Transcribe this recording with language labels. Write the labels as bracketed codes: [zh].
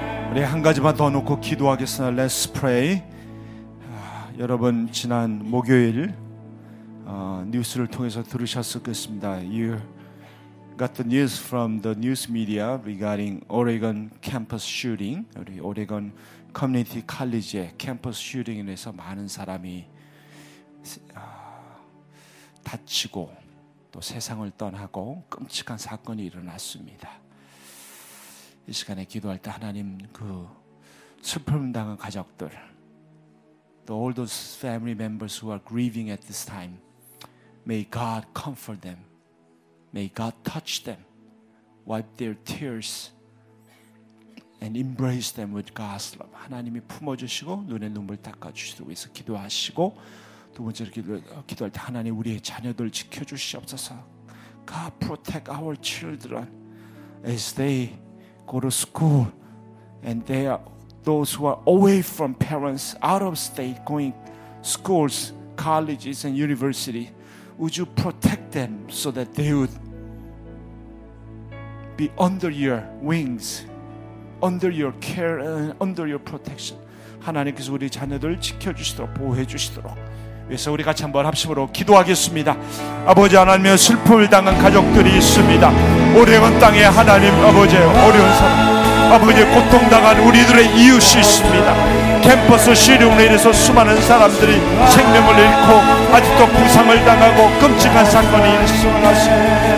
[ko] 우리 한 가지만 더 놓고 기도하겠습니다. [en] Let's pray. [ko] 여러분 지난 목요일 뉴스를 통해서 들으셨었겠습니다. [en] You got the news from the news media regarding Oregon campus shooting. [ko] 우리 오레곤 커뮤니티 칼리지의 캠퍼스 슈팅에서 많은 사람이 다치고 또 세상을 떠나고 끔찍한 사건이 일어났습니다. 이 시간에 기도할 때 하나님 그 슬픔 당한 가족들 또 [en] all those family members who are grieving at this time may God comfort them, may God touch them, wipe their tears and embrace them with God's love. [ko] 하나님이 품어주시고 눈에 눈물 닦아주시도록 해서 기도하시고 두 번째로 기도할 때 하나님 우리의 자녀들 지켜주시옵소서. [en] God protect our children as they go to school and they are those who are away from parents, out of state, going schools, colleges and university. Would you protect them so that they would be under your wings, under your care and under your protection. [ko] 하나님께서 우리 자녀들 지켜주시도록 보호해주시도록 그래서 우리 같이 한번 합심으로 기도하겠습니다. 아버지 하나님의 슬픔을 당한 가족들이 있습니다. 오래간 땅에 하나님 아버지의 어려운 사람 아버지의 고통당한 우리들의 이웃이 있습니다. 캠퍼스 시륜에 의해서 수많은 사람들이 생명을 잃고 아직도 부상을 당하고 끔찍한 사건이 일어났습니다.